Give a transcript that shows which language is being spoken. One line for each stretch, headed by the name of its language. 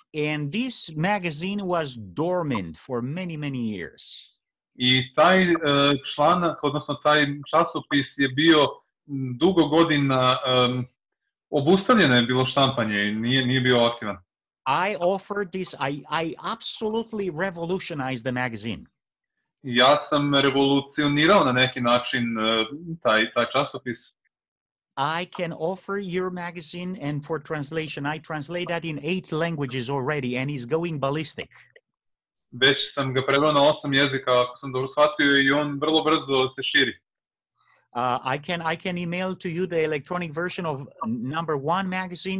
English: And this magazine was dormant for many, many years.
Serbian: I taj članak, odnosno taj časopis je bio dugo godina obustavljeno je bilo štampanje i nije bio aktivan.
English: I offered this, I absolutely revolutionized the magazine.
Serbian: Ja sam revolucionirao na neki način taj časopis.
English: I can offer your magazine and for translation. I translate that in 8 languages already and is going ballistic.
Serbian: Već sam ga preveo na 8 jezika, ako sam dobro shvatio, i on vrlo brzo se širi.
English: I can email to you the electronic version of number 1 magazine.